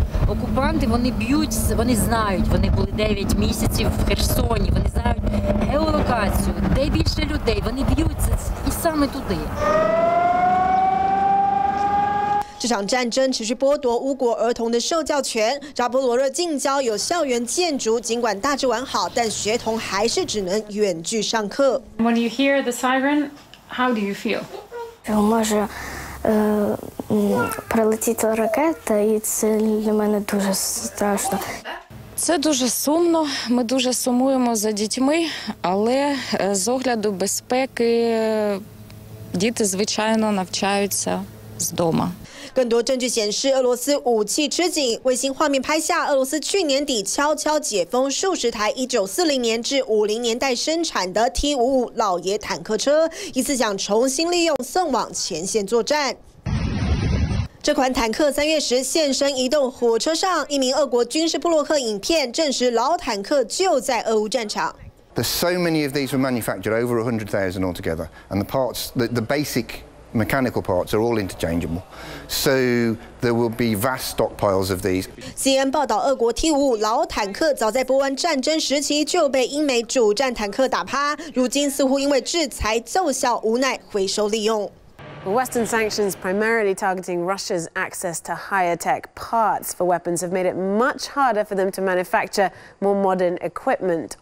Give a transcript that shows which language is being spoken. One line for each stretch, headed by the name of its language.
Ukrainian: Окупанти, вони б'ють, вони знають, вони були 9 місяців в Херсоні, вони знають геолокацію, де більше людей, вони б'ються і саме туди.
Chinese: 这场战争持续剥夺乌国儿童的受教权。扎波罗热近郊有校园建筑，尽管大致完好，但学童还是只能远距上课。
English: When you hear the siren, how do you feel?
Ukrainian: Прилетіти ракета, і це для мене дуже страшно. Це дуже сумно. Ми дуже сумуємо за дітьми, але з огляду безпеки діти, звичайно, навчаються з дома.
Chinese: 更多证据显示，俄罗斯武器吃紧。卫星画面拍下，俄罗斯去年底悄悄解封数十台1940年至50年代生产的 T-55 老爷坦克车，一次想重新利用，送往前线作战。这款坦克3月时现身移动火车上，一名俄国军事部落客影片证实，老坦克就在俄乌战场。
English: There's so many of these were manufactured over 100,000 altogether, and the parts, the basic mechanical parts are all interchangeable. So there will be vast stockpiles of these.
Chinese: CNN 报道，俄国 T-5 老坦克早在波湾战争时期就被英美主战坦克打趴，如今似乎因为制裁奏效，无奈回收利用。
English: Western sanctions primarily targeting Russia's access to higher tech parts for weapons have made it much harder for them to manufacture more modern equipment.